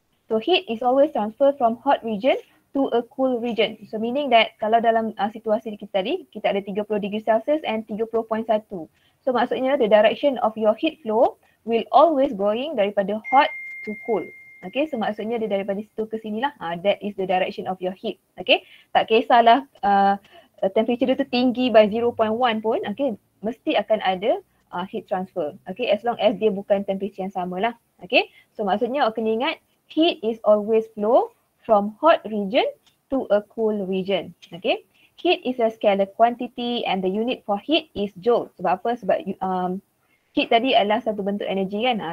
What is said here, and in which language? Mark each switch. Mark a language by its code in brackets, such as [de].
[en] So heat is always transferred from hot region to a cool region. So meaning that [ms] kalau dalam situasi kita tadi, kita ada 30 degree Celsius and 30.1. [en] So [ms] maksudnya [en] the direction of your heat flow will always going [ms] daripada [en] hot to cool. [ms] Okay, so maksudnya dia daripada situ ke sini lah. [en] That is the direction of your heat. Okay, [ms] tak kisahlah [en] temperature [ms] dia tu tinggi [en] by 0.1 pun, okay, [ms] mesti akan ada [en] heat transfer. Okay, as long as [ms] dia bukan [en] temperature [ms] yang sama lah. [en] Okay, so [ms] maksudnya kena ingat [en] heat is always flow from hot region to a cool region. Okay, heat is a scalar quantity and the unit for heat is joule. [ms] Sebab apa? Sebab heat tadi adalah satu bentuk energi kan?